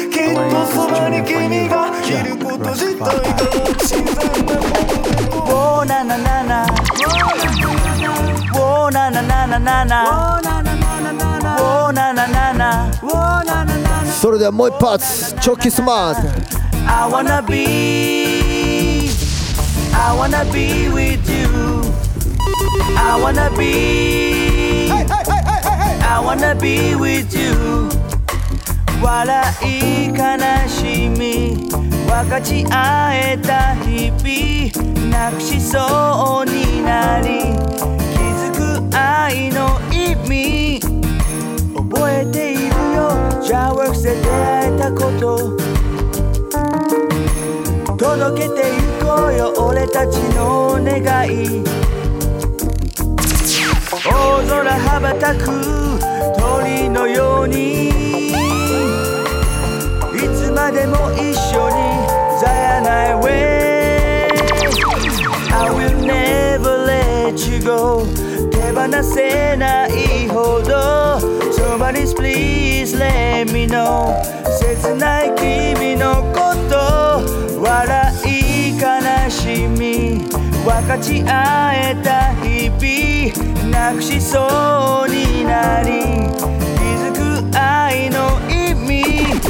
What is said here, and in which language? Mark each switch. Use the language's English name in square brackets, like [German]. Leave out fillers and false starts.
[Japanese] きっとそばに君がいること自体が自然なもので。ウォーナナナナナナナナナナナナナナナ。それではもう一発チョキスマート。 [English] I wanna beI wanna be with you. I wanna be. Hey, hey, hey, hey, hey. I wanna be with you. [Japanese] 笑い悲しみ分かち合えた日々失くしそうになり気づく愛の意味覚えているよ。 Jawworks で出会えたこと届けていこうよ俺たちの願い。大空羽ばたく鳥のようにいつまでも一緒に絶やない way. [English] I will never let you go. [Japanese] 手放せないほど [English] Somebody's please let me know. [Japanese] 切ない君のこと笑い悲しみ分かち合えた日々失くしそうになり気づく愛の意味。